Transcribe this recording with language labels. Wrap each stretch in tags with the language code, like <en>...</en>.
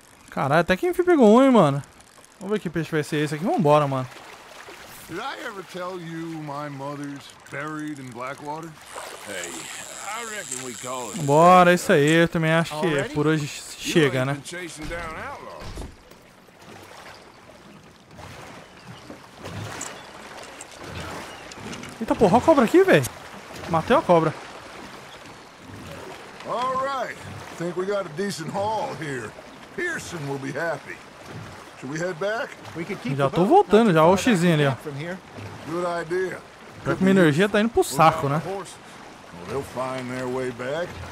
<pt>Caralho, até que enfim pegou um, hein, mano? Vamos ver que peixe vai ser esse aqui. Vambora, mano.</pt> <en>Did I ever tell you my mother's buried in Blackwater? Hey, I reckon we call it.</en> <pt>Bora, isso aí. Eu também acho que</pt> <en>already?</en> <pt>Por hoje chega,</pt> <en>you</en> <pt>né?</pt> <en>Been chasing down outlaws.</en> <pt>Eita porra, olha a cobra aqui, velho. Matei a cobra.</pt> <en>All right. Think we got a decent haul here. Pearson will be happy. Should we head back? We could keep.</en> <pt>Já tô voltando, já olha o xizinho ali, ó.</pt> <en>Good idea.</en> <pt>Pior que minha energia tá indo pro saco, né?</pt> <en>Well, they'll find their way back.</en>